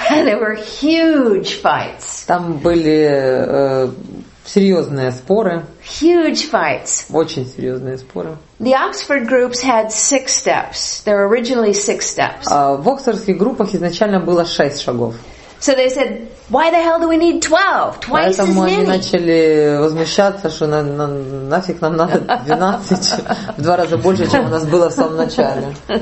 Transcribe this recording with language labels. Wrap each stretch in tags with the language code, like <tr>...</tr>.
<en>There were huge fights.</en> <ru>Там были серьезные споры.</ru> <en>Huge fights.</en> <ru>Очень серьезные споры.</ru> <en>The Oxford groups had 6 steps. There were originally 6 steps.</en> <ru>В оксфордских группах изначально было 6 шагов.</ru> <en>So they said, why the hell do we need 12? Twice as many.</en> <ru>Поэтому они начали возмущаться, что нафиг нам надо 12, в два раза больше, чем у нас было в самом начале.</ru>